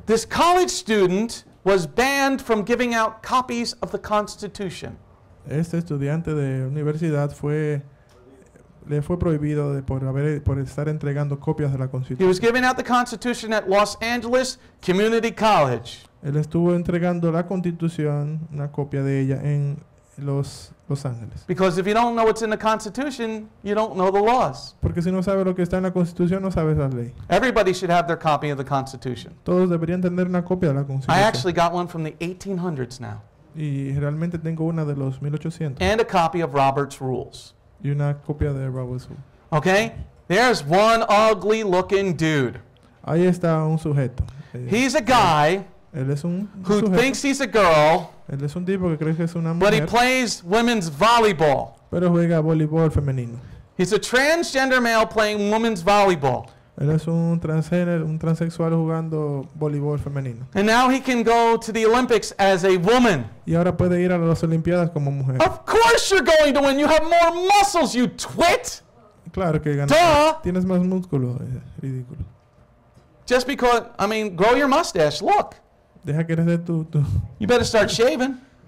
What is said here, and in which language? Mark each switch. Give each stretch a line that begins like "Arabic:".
English: This college student was banned from giving out copies of the Constitution.
Spanish: Este estudiante de universidad le fue prohibido por estar entregando copias de la Constitución.
English: He was giving out the Constitution at Los Angeles Community College.
Spanish: Él estuvo entregando la Constitución, una copia de ella, en Los Ángeles.
English: Because if you don't know what's in the Constitution, you don't know the laws.
Spanish: Porque si no sabes lo que está en la Constitución, no sabes la ley.
English: Everybody should have their copy of the Constitution.
Spanish: Todos deberían tener una copia de la Constitución.
English: I actually got one from the 1800s now.
Spanish: Y realmente tengo una de los 1800.
English: And a copy of Robert's Rules.
Spanish: Y una copia de Robert's Rules.
English: Okay? There's one ugly looking dude.
Spanish: Ahí está un sujeto.
English: He's a guy.
Spanish: Él es un
English: who
Spanish: sujeto.
English: Thinks he's a girl.
Spanish: Él es un tipo que cree que es una mujer.
English: But he plays women's volleyball.
Spanish: Pero juega voleibol femenino.
English: He's a transgender male playing women's volleyball.
Spanish: Él es un transexual jugando voleibol femenino.
English: And now he can go to the Olympics as a woman.
Spanish: Y ahora puede ir a las Olimpiadas como mujer.
English: Of course you're going to win. You have more muscles, you twit.
Spanish: Claro que ganas. Duh. Tienes más músculo. Ridículo.
English: Just because, I mean, grow your mustache. Look.
Spanish: Deja crecer tu.
English: You better start shaving.